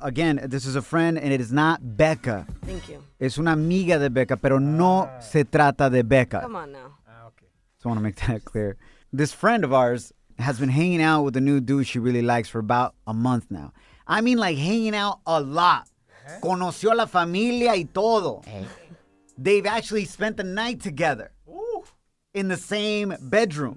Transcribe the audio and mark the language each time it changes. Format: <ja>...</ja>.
<en>Again, this is a friend and it is not Becca. Thank you.</en> <es>Es una amiga de Becca, pero no se trata de Becca.</es> <en>Come on now. Okay. Just want to make that clear. This friend of ours has been hanging out with a new dude she really likes for about a month now. I mean, like, hanging out a lot.</en> <es>Conoció a la familia y todo.</es> <en>They've actually spent the night together. Ooh. In the same bedroom.</en>